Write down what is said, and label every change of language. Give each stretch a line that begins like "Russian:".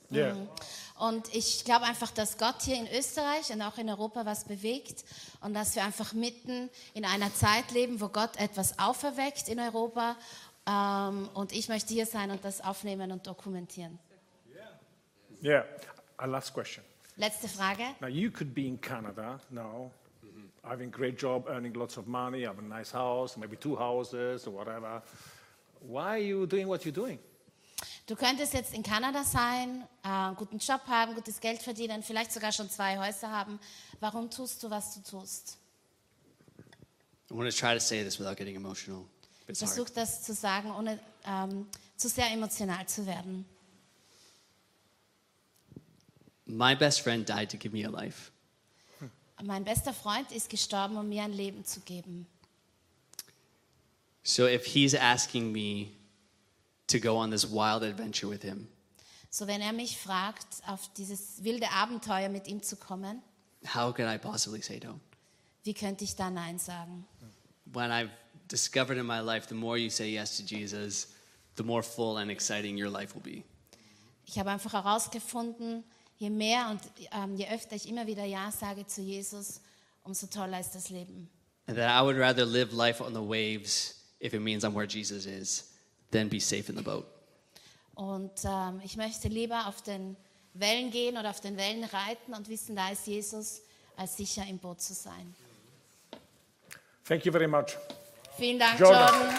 English: Yeah.
German: Und ich glaube einfach, dass Gott hier in Österreich und auch in Europa was bewegt und dass wir einfach mitten in einer Zeit leben, wo Gott etwas auferweckt in Europa. Und ich möchte hier sein und das aufnehmen und dokumentieren.
English: Yeah. A last question.
German: Letzte Frage.
English: Now you could be in Canada now. Mm-hmm. Having a great job, earning lots of money, have a nice house, maybe two houses or whatever. Why are you doing what you're doing?
German: Du könntest jetzt in Kanada sein, guten Job haben, gutes Geld verdienen, vielleicht sogar schon zwei Häuser haben. Warum tust du, was du tust?
English: I want to try to say this without getting emotional.
German: Ich versuche das zu sagen, ohne zu sehr emotional zu werden.
English: My best friend died to give me a life.
German: Mein bester Freund ist gestorben, um mir ein Leben zu geben.
English: So if he's asking me to go on this wild adventure with him.
German: So wenn mich fragt, auf dieses wilde Abenteuer mit ihm zu kommen.
English: How can I possibly say no?
German: Wie könnte ich da nein sagen?
English: When I've discovered in my life, the more you say yes to Jesus, the more full and exciting your life will be.
German: Ich habe einfach herausgefunden, je mehr und je öfter ich immer wieder ja sage zu Jesus, umso toller ist das Leben.
English: And that I would rather live life on the waves if it means I'm where Jesus is, then be safe in the boat.
German: Und ich möchte lieber auf den Wellen gehen oder auf den Wellen reiten und wissen, da ist Jesus, als sicher im Boot zu sein.
English: Thank you very much.
German: Vielen Dank, Jordan.